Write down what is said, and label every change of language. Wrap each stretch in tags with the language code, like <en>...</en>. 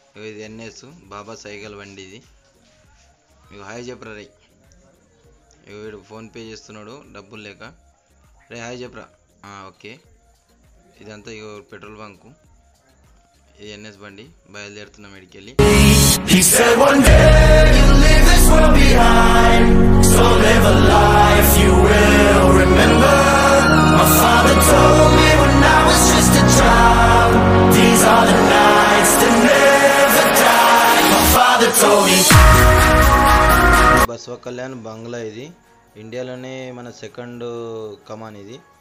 <te>ఇది NS బాబా cycle బండి ఇది. మీకు హాయ్ చెప్పరా రై, వీడు ఫోన్పే చేస్తున్నాడు డబ్బులు లేక. రే హాయ్ చెప్పరా. ఓకే, ఇదంతా ఇక పెట్రోల్ బంకు. ఇది NS బండి, బయలుదేరుతున్నాం ఇక్కడికి వెళ్ళి.</te> <en>He said one day you'll leave this world behind, so live a life you will remember. My father told me when I was just a child, these are the nights that never die. My father told me</en> <te>Basava Kalyan బంగ్లా ఇది, ఇండియాలోనే మన second come on ఇది.</te>